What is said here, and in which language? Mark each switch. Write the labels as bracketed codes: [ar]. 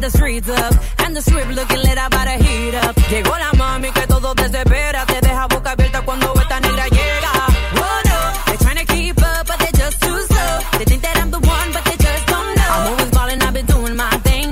[en] Up, and the strip looking lit, I about to heat up. [es] Llegó la mami que todo desespera. Te deja boca abierta cuando esta negra llega. [en] Oh no, they're trying to keep up, but they're just too slow. They think that I'm the one, but they just don't know. I'm always ballin', I've been doing my thing.